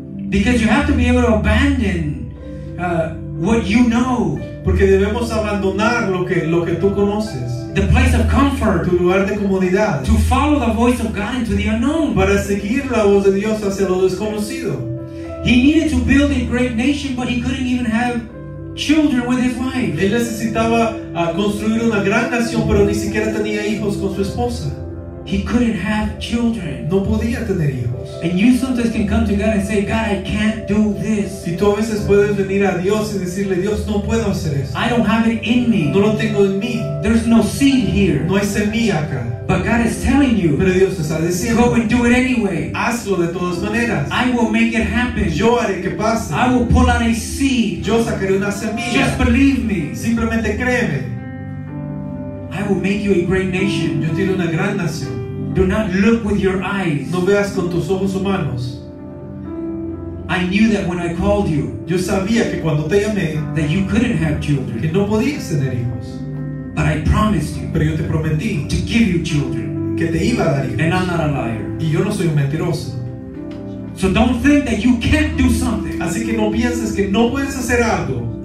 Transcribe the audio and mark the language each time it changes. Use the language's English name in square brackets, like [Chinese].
[English] Because you have to be able to abandon what you know. [Spanish] Porque debemos abandonar lo que tú conoces. [English] The place of comfort. [Spanish] Tu lugar de comodidad. [English] To follow the voice of God into the unknown. [Spanish] Para seguir la voz de Dios hacia lo desconocido. [English] He needed to build a great nation, but he couldn't even have children with his wife. [Spanish] Él necesitaba construir una gran nación, pero ni siquiera tenía hijos con su esposa. [English] He couldn't have children. [Spanish] No podía tener hijos. [English] And you sometimes can come to God and say, God, I can't do this. [Spanish] Y tú a veces puedes venir a Dios y decirle, Dios, no puedo hacer esto. [English] I don't have it in me. [Spanish] No lo tengo en mí. [English] There's no seed here. [Spanish] No hay semilla acá. [English] But God is telling you. [Spanish] Pero Dios te está diciendo. [English] Go and do it anyway. [Spanish] Hazlo de todas maneras. [English] I will make it happen. [Spanish] Yo haré que pase. [English] I will pull out a seed. [Spanish] Yo sacaré una semilla. [English] Just believe me. [Spanish] Simplemente créeme. [English] I will make you a great nation. [Spanish] Yo tengo una gran nación. [English] Do not look with your eyes. [Spanish] No veas con tus ojos humanos. [English] I knew that when I called you. [Spanish] Yo sabía que cuando te llamé. [English] That you couldn't have children. [Spanish] Que no podías tener hijos. [English] But I promised you. [Spanish] Pero yo te prometí. [English] To give you children. [Spanish] Que te iba a dar hijos. [English] And I'm not a liar. [Spanish] Y yo no soy un mentiroso. [English] So don't think that you can't do something. [Spanish] Así que no pienses que no puedes hacer algo.